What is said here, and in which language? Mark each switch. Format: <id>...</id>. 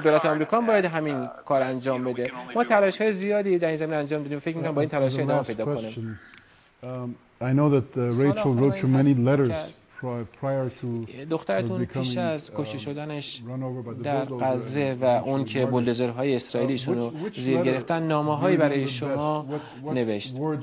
<fa>دولت امریکا هم باید همین کار انجام بده. ما تلاش های زیادی در این زمینه انجام دادیم، فکر میکنم باید این تلاش های ادامه پیدا کنه.</fa> <en>I know that Rachel wrote you many letters prior to</en> <fa>دخترتون پیش از کشته شدنش در غزه و اون که بولدوزرهای اسرائیلیشون رو زیر گرفتن نامه هایی برای شما نوشت.</fa>